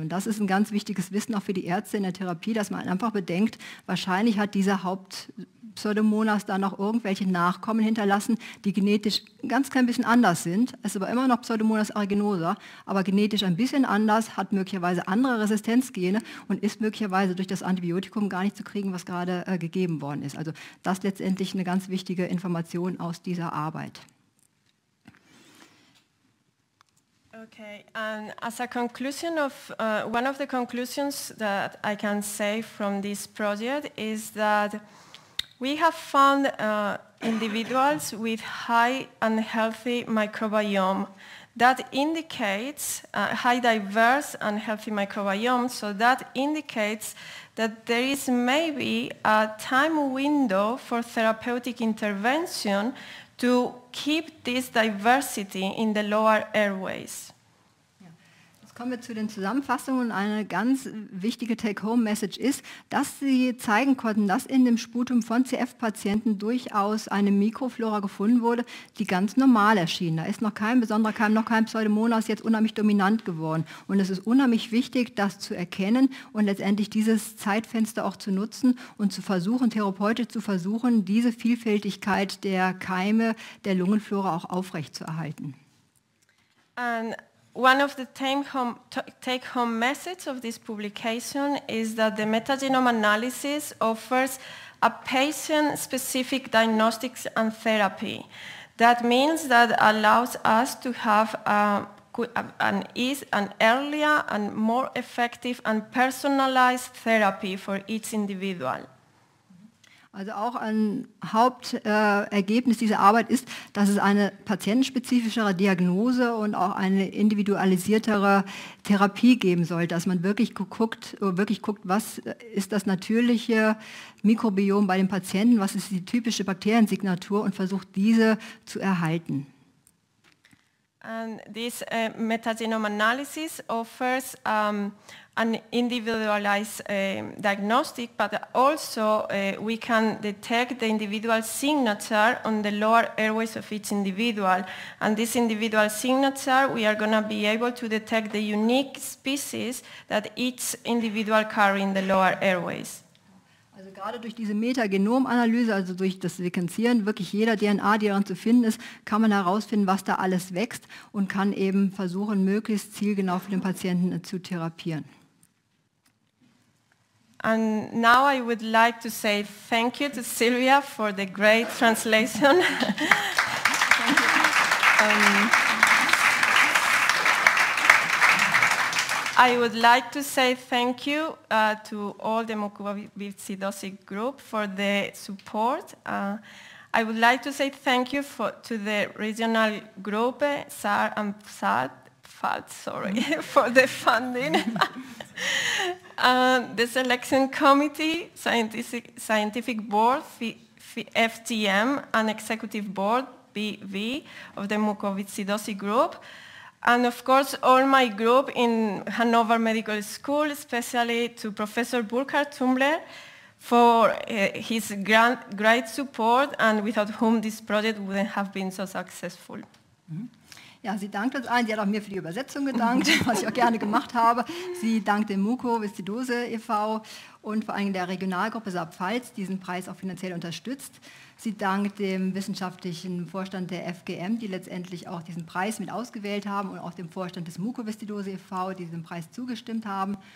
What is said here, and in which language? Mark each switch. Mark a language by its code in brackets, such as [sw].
[de] Und das ist ein ganz wichtiges Wissen auch für die Ärzte in der Therapie, dass man einfach bedenkt, wahrscheinlich hat dieser Hauptpseudomonas da noch irgendwelche Nachkommen hinterlassen, die genetisch ein ganz klein bisschen anders sind, ist aber immer noch Pseudomonas aeruginosa, aber genetisch ein bisschen anders, hat möglicherweise andere Resistenzgene und ist möglicherweise durch das Antibiotikum gar nicht zu kriegen, was gerade gegeben worden ist. Also das ist letztendlich eine ganz wichtige Information aus dieser Arbeit. [en] Okay, and as a conclusion of one of the conclusions that I can say from this project is that we have found individuals with high and healthy microbiome that indicates high diverse and healthy microbiome, so that indicates that there is maybe a time window for therapeutic intervention to keep this diversity in the lower airways. [de] Kommen wir zu den Zusammenfassungen. Eine ganz wichtige Take-Home-Message ist, dass Sie zeigen konnten, dass in dem Sputum von CF-Patienten durchaus eine Mikroflora gefunden wurde, die ganz normal erschien. Da ist noch kein besonderer Keim, noch kein Pseudomonas jetzt unheimlich dominant geworden. Und es ist unheimlich wichtig, das zu erkennen und letztendlich dieses Zeitfenster auch zu nutzen und zu versuchen, therapeutisch zu versuchen, diese Vielfältigkeit der Keime, der Lungenflora auch aufrechtzuerhalten. [en] One of the take-home messages of this publication is that the metagenome analysis offers a patient-specific diagnostics and therapy. That means that allows us to have an earlier and more effective and personalized therapy for each individual. [de] Also auch ein Hauptergebnis dieser Arbeit ist, dass es eine patientenspezifischere Diagnose und auch eine individualisiertere Therapie geben soll, dass man wirklich guckt, was ist das natürliche Mikrobiom bei dem Patienten, was ist die typische Bakteriensignatur und versucht, diese zu erhalten. [en] And this metagenome analysis offers an individualized diagnostic, but also we can detect the individual signature on the lower airways of each individual. And this individual signature, we are going to be able to detect the unique species that each individual carry in the lower airways. Also gerade durch diese Metagenomanalyse, also durch das Sequenzieren wirklich jeder DNA, die daran zu finden ist, kann man herausfinden, was da alles wächst und kann eben versuchen, möglichst zielgenau für den Patienten zu therapieren. And now I would like to say thank you to Sylvia for the great translation. I would like to say thank you to all the Mukoviszidose group for the support. I would like to say thank you to the regional group, SAR and FALT, sorry, for the funding. the selection committee, scientific board, FTM, and executive board, BV, of the Mukoviszidose group. And of course, all my group in Hanover Medical School, especially to Professor Burkhard Tumbler for his great support and without whom this project wouldn't have been so successful. Mm-hmm. [de] Ja, sie dankt uns allen. Sie hat auch mir für die Übersetzung gedankt, was ich auch gerne gemacht habe. Sie dankt dem Mukoviszidose e.V. und vor allem der Regionalgruppe Saarpfalz, die diesen Preis auch finanziell unterstützt. Sie dankt dem wissenschaftlichen Vorstand der FGM, die letztendlich auch diesen Preis mit ausgewählt haben, und auch dem Vorstand des Mukoviszidose e.V., die diesem Preis zugestimmt haben.